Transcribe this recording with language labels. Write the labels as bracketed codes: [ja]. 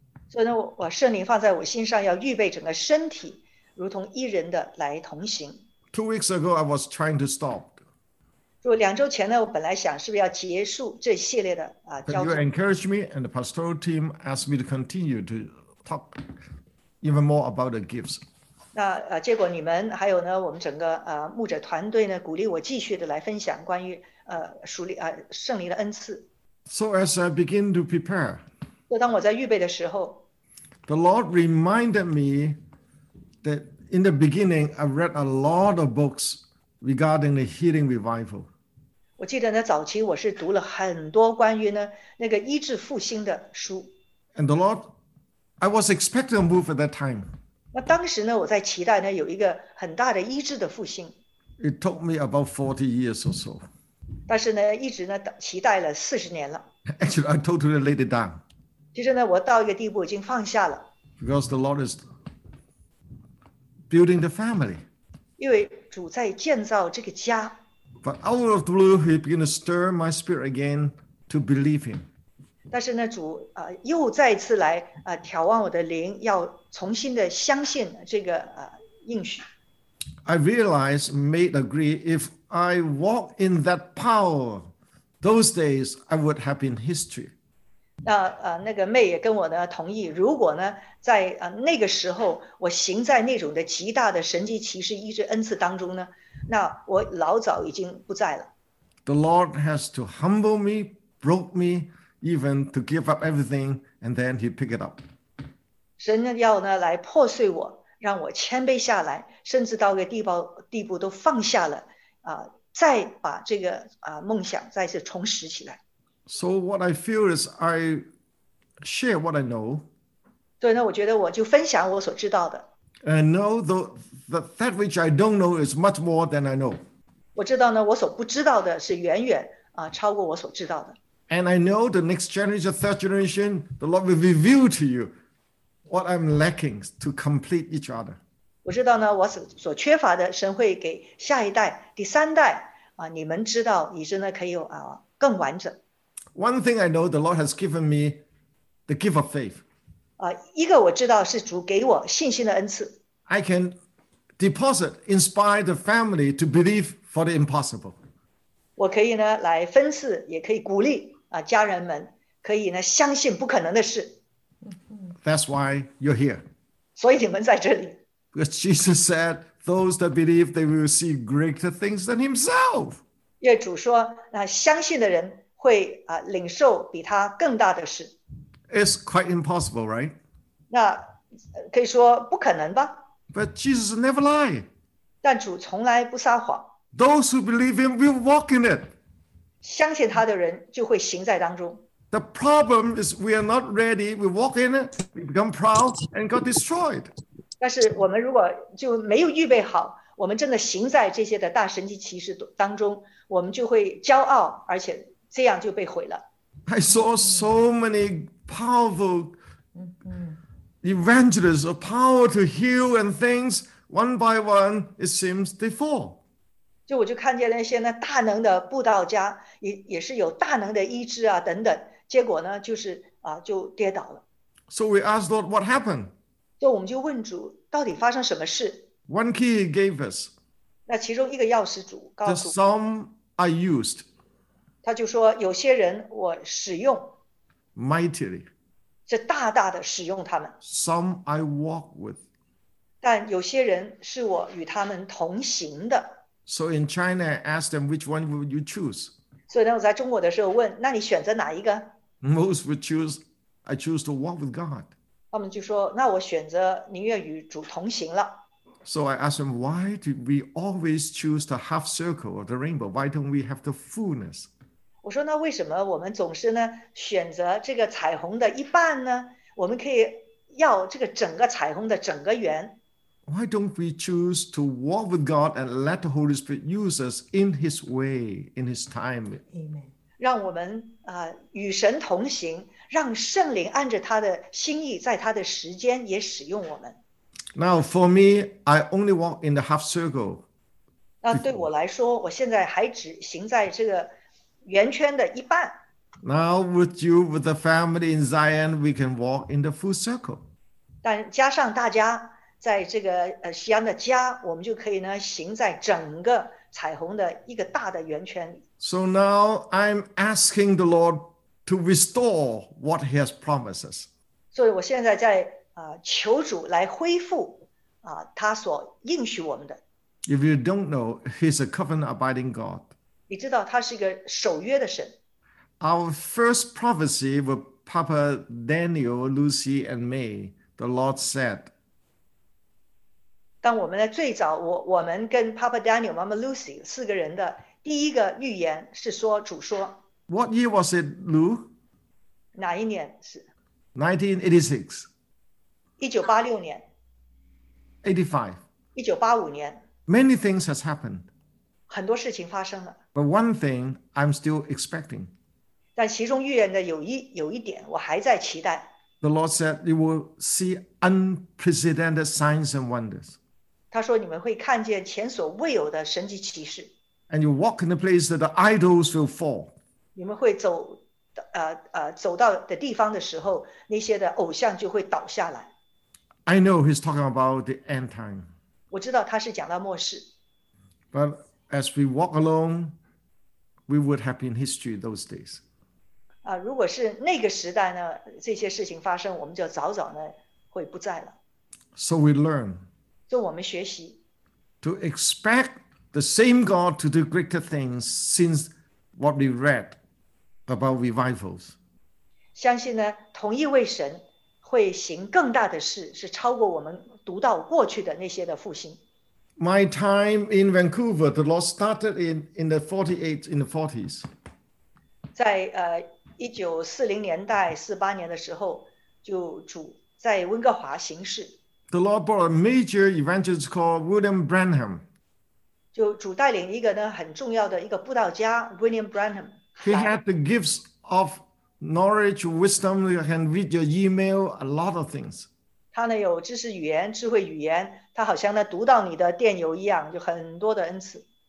[zh] So, 我圣灵放在我心上要预备整个身体如同一人的来同行。 [en] 2 weeks ago, I was trying to stop. [zh] 两周前呢，我本来想是不是要结束这系列的啊。 [en] But you encouraged me, and the pastoral team asked me to continue to talk even more about the gifts. [zh] 那结果你们还有呢，我们整个牧者团队呢，鼓励我继续的来分享关于圣灵的恩赐。 [en] So as I begin to prepare, [zh] 当我在预备的时候 [en] ，the Lord reminded me. That in the beginning, I read a lot of books regarding the healing revival. [zh] 我记得呢，早期我是读了很多关于呢那个医治复兴的书。 [en] And the Lord, I was expecting a move at that time. [zh] 那当时呢，我在期待呢有一个很大的医治的复兴。 [en] It took me about 40 years or so. [zh] 但是呢，一直呢期待了40年了。 [en] Actually, I totally laid it down. [zh] 其实呢，我到一个地步已经放下了。 [en] Because the Lord is building the family. [zh] 因为主在建造这个家。 [en] But out of the blue, he began to stir my spirit again to believe him. [zh] 但是呢，主又再次来眺望我的灵，要重新的相信这个应许。 [en] I realized, made agree, if I walk in that power, those days I would have been history. [zh] 那个妹也跟我呢同意，如果呢。在那个时候，我行在那种的极大的神迹奇事医治恩赐当中呢，那我老早已经不在了。 [en] The Lord has to humble me, broke me, even to give up everything, and then He pick it up. [zh] 神要呢来破碎我，让我谦卑下来，甚至到个地步都放下了，再把这个梦想再次重拾起来。 [en] So what I feel is I share what I know. [zh] 所以呢，我觉得我就分享我所知道的。 [en] And know that which I don't know is much more than I know. [zh] 我知道呢，我所不知道的是远远超过我所知道的。 [en] And I know the next generation, the third generation, the Lord will reveal to you what I'm lacking to complete each other. [zh] 我知道呢，我所缺乏的，神会给下一代、第三代你们知道，以致呢可以有更完整。 [en] One thing I know, the Lord has given me the gift of faith. [zh] 一个我知道是主给我信心的恩赐。 [en] I can deposit, inspire the family to believe for the impossible. [zh] 我可以呢来分赐，也可以鼓励家人们可以呢相信不可能的事。 [en] That's why you're here. [zh] 所以你们在这里。 [en] Because Jesus said, those that believe, they will see greater things than himself. [zh] 因为主说，那相信的人会领受比他更大的事。 [en] It's quite impossible, right? [zh] 那可以说不可能吧。 [en] But Jesus never lied. [zh] 但主从来不撒谎。 [en] Those who believe him will walk in it. [zh] 相信他的人就会行在当中。 [en] The problem is we are not ready. We walk in it, we become proud, and got destroyed. [zh] 但是我们如果就没有预备好，我们真的行在这些的大神迹奇事当中，我们就会骄傲，而且这样就被毁了。 [en] I saw so many. Powerful evangelists of power to heal and things one by one, it seems they fall. [zh] 就我就看见那些呢大能的布道家，也是有大能的医治啊等等，结果呢就是就跌倒了。 [en] So we asked Lord, what happened? [zh] 就我们就问主，到底发生什么事 [en] ？One key he gave us. [zh] 那其中一个钥匙主告诉。 [en] The some I used. [zh] 他就说有些人我使用。 [en] Mightily, [zh] 是大大的使用他们。 [en] Some I walk with, [zh] 但有些人是我与他们同行的。 [en] So in China, I asked them which one would you choose. [zh] 所以呢，我在中国的时候问，那你选择哪一个 [en] ？Most would choose, I choose to walk with God. [zh] 他们就说，那我选择宁愿与主同行了。 [en] So I asked them, why do we always choose the half circle or the rainbow? Why don't we have the fullness? [zh] 我说那为什么我们总是呢选择这个彩虹的一半呢？我们可以要这个整个彩虹的整个圆。 [en] Why don't we choose to walk with God and let the Holy Spirit use us in His way, in His time? Amen. [zh] 让我们与神同行，让圣灵按着他的心意，在他的时间也使用我们。 [en] Now for me, I only walk in the half circle. [zh] 对我来说，我现在还只行在这个圆圈的一半。 [en] Now with you, with the family in Zion, we can walk in the full circle. [zh] 但加上大家在这个西安的家，我们就可以呢行在整个彩虹的一个大的圆圈里。 [en] So now I'm asking the Lord to restore what He has promised us. [zh] 所以我现在在求主来恢复他所应许我们的。 [en] If you don't know, He's a covenant-abiding God. [zh] 你知道他是一个守约的神。 [en] Our first prophecy with Papa Daniel, Lucy, and May, the Lord said. [zh] 当我们的最早，我们跟 Papa Daniel、Mama Lucy 四个人的第一个预言是说，主说。 [en] What year was it, Lou? [zh] 哪一年是？1986. 1986年。 85. 1985年。 [en] Many things has happened. [zh] 很多事情发生了。 [en] But one thing I'm still expecting. [zh] 但其中预言的有一点我还在期待。 [en] The Lord said you will see unprecedented signs and wonders. [zh] 他说你们会看见前所未有的神迹奇事。 [en] And you walk in the place that the idols will fall. [zh] 你们会走到的地方的时候，那些的偶像就会倒下来。 [en] I know he's talking about the end time. [zh] 我知道他是讲到末世。 [en] But as we walk along, we would have been history those days. [zh] 如果是那个时代呢，这些事情发生，我们就早早呢会不在了。 [en] So we learn. [zh] 就我们学习。 [en] To expect the same God to do greater things since what we read about revivals. [zh] 相信呢，同一位神会行更大的事，是超过我们读到过去的那些的复兴。 [en] My time in Vancouver, the Lord started in the 48, in the 40s. [zh] 在1940年代48年的时候，就主在温哥华行事。 [en] The Lord brought a major evangelist called William Branham. [zh] 就主带领一个呢很重要的一个布道家 William Branham. [en] He had the gifts of knowledge, wisdom. You can read your email, a lot of things. [zh] 他呢有知识语言、智慧语言，他好像呢读到你的电邮一样，就很多的恩赐。